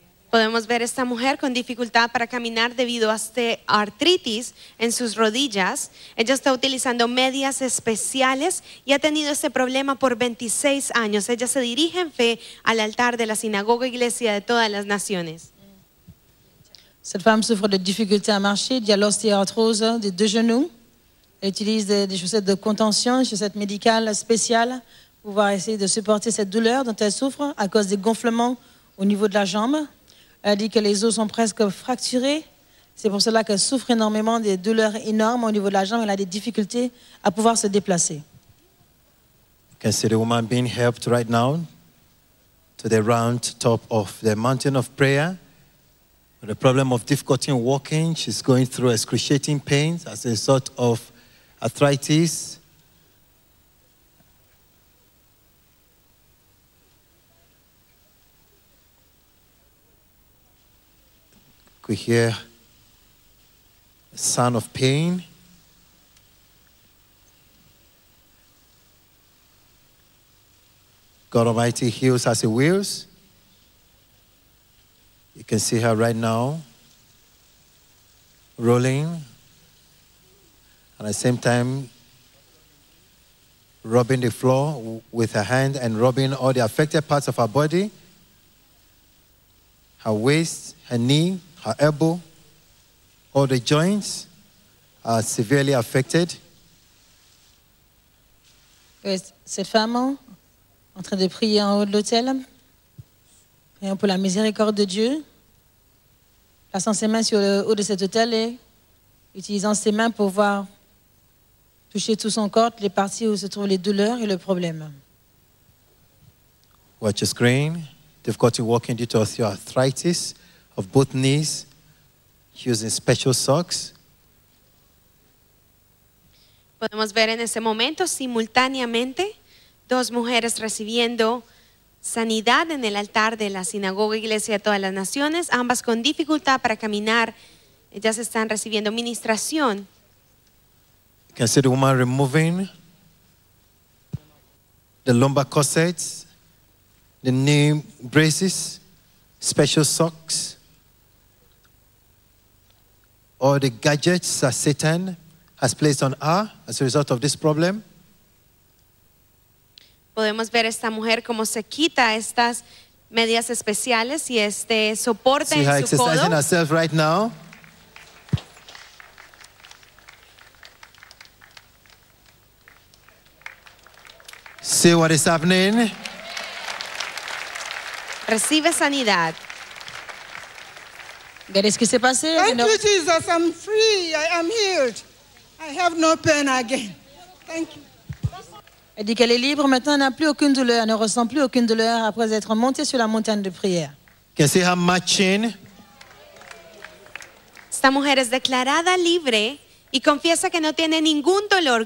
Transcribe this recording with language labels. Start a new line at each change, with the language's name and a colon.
Spanish: Podemos ver esta mujer con dificultad para caminar debido a este artritis en sus rodillas. Ella está utilizando medias especiales y ha tenido este problema por 26 años. Ella se dirige en fe al altar de la sinagoga iglesia de todas las naciones.
French: Cette femme souffre de dificultés à marcher, de l'ostéoarthrose des deux genoux. Elle utilise des chaussettes de contention, chaussettes médicales spéciales pour pouvoir essayer de supporter cette douleur dont elle souffre à cause des gonflements au niveau de la jambe. Elle dit que les os sont presque fracturés. C'est pour cela qu'elle souffre énormément des douleurs énormes au niveau de la jambe. Elle a des difficultés à pouvoir se déplacer.
English: Can see the woman being helped right now to the round top of the mountain of prayer. The problem of difficulty in walking, she's going through excruciating pains as a sort of arthritis. We hear a sound of pain. God Almighty heals as He wills. You can see her right now rolling and at the same time rubbing the floor with her hand and rubbing all the affected parts of her body, her waist, her knee, her elbow, all the joints are severely affected.
French: Cette femme en train de prier en haut de l'hôtel, priant pour la miséricorde de Dieu, plaçant ses mains sur le haut de cet hôtel et utilisant ses mains pour voir toucher tout son corps, les parties où se trouvent les douleurs et le problème.
English: Watch your screen. Difficulty walking due to osteoarthritis of both knees. Using special socks.
Spanish: Podemos ver en ese momento simultáneamente dos mujeres recibiendo sanidad en el altar de la sinagoga iglesia de todas las naciones, ambas con dificultad para caminar. Ellas están recibiendo ministración.
English: You can see the woman removing the lumbar corsets, the knee braces, special socks, all the gadgets that Satan has placed on her as a result of this problem.
Spanish: Podemos ver esta mujer como se quita estas medias especiales y este soporte en su codo.
English: She's exercising herself right now. See what is happening.
Spanish: Recibe sanidad. ¿Qué es que se pasa?
English: Thank you, Jesus. I'm free. I am healed. I have no pain again. Thank you.
French: Elle dit qu'elle est libre, maintenant elle n'a plus aucune douleur, elle ne ressent plus aucune douleur après être montée sur la montagne de prière.
English: Can see her marching.
Spanish: Esta mujer es declarada libre y confiesa que no tiene ningún dolor.